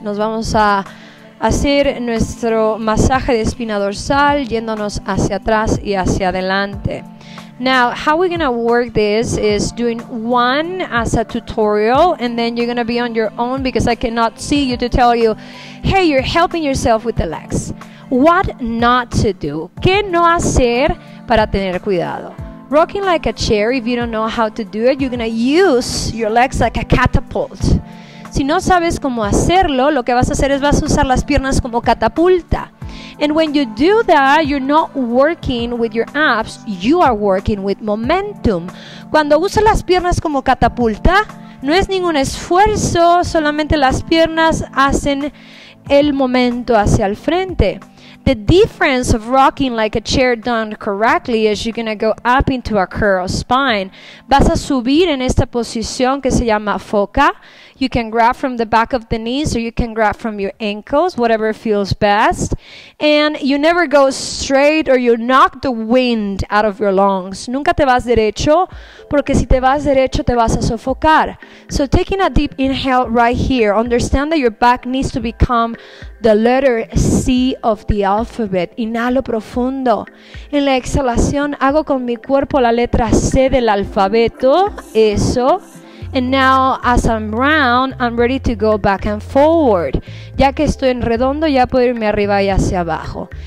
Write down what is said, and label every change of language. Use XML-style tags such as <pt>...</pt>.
<es>Nos vamos a hacer nuestro masaje de espina dorsal yéndonos hacia atrás y hacia adelante.</es> <en>Now, how we're going to work this is doing one as a tutorial and then you're going to be on your own because I cannot see you to tell you, hey, you're helping yourself with the legs. What not to do?</en> <es>¿Qué no hacer para tener cuidado?</es> <en>Rocking like a chair, if you don't know how to do it, you're going to use your legs like a catapult.</en> <es>Si no sabes cómo hacerlo, lo que vas a hacer es vas a usar las piernas como catapulta.</es> <en>And when you do that, you're not working with your abs, you are working with momentum.</en> <es>Cuando usas las piernas como catapulta, no es ningún esfuerzo, solamente las piernas hacen el momento hacia el frente.</es> <en>The difference of rocking like a chair done correctly is you're going to go up into a curled spine.</en> <es>Vas a subir en esta posición que se llama foca.</es> <en>You can grab from the back of the knees or you can grab from your ankles, whatever feels best. And you never go straight or you knock the wind out of your lungs.</en> <es>Nunca te vas derecho porque si te vas derecho te vas a sofocar.</es> <en>So taking a deep inhale right here, understand that your back needs to become the letter C of the alphabet.</en> <es>Inhalo profundo. En la exhalación hago con mi cuerpo la letra C del alfabeto. Eso.</es> <en>And now, as I'm round, I'm ready to go back and forward.</en> <es>Ya que estoy en redondo, ya puedo irme arriba y hacia abajo.</es>